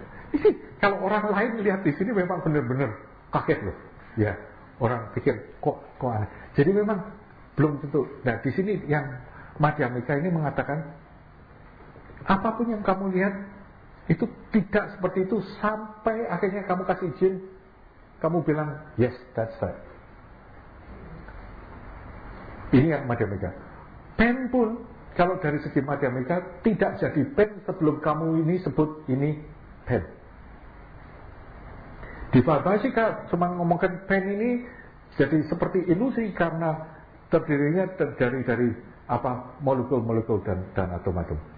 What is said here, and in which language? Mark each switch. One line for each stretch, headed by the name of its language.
Indonesian: Ini kalau orang lain lihat di sini memang benar-benar kaget loh. Ya, orang pikir kok aneh. Jadi memang belum tentu. Nah, di sini yang Madhyamika ini mengatakan, apapun yang kamu lihat itu tidak seperti itu sampai akhirnya kamu kasih izin. Kamu bilang,
English: yes, that's right.
Indonesian: Ini yang Madhyamika. Pen pun, kalau dari segi Madhyamika, tidak jadi pen sebelum kamu ini sebut ini pen. Di Vaibhashika, cuma ngomongkan pen ini jadi seperti ilusi karena terdirinya dari apa molekul-molekul dan atom-atom.